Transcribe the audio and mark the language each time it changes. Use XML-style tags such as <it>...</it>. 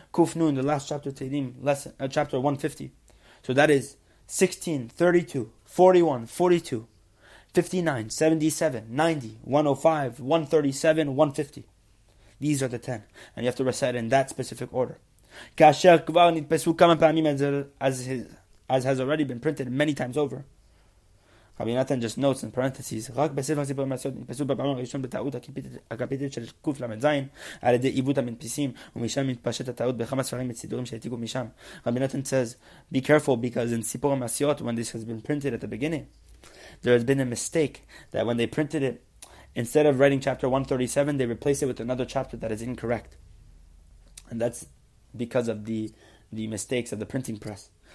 <en>Kuf Nun, the last chapter, Tehillim, lesson, chapter 150. So that is 16, 32, 41, 42, 59, 77, 90, 105, 137, 150. These are the 10. And you have to recite in that specific order.</en> <he>Kasher Kvar Nitpesu Kama Pa'amim</he> <en>as has already been printed many times over.</en> <he>Rabbi Nathan just notes in parentheses, רק בספר סיפור המעשיות נתפסו בפעם הראשון בטעות הקפיטל של קוף למדזיין על ידי עיוות המנפיסים ומשם מתפשט הטעות בכמה ספרים וסידורים שהתיקו משם.</he> <en>Rabbi Nathan says, be careful because in סיפור המעשיות, when this has been printed at the beginning, there has been a mistake that when they printed it, instead of writing chapter 137, they replaced it with another chapter that is incorrect. And that's because of the mistakes of the printing press.</en>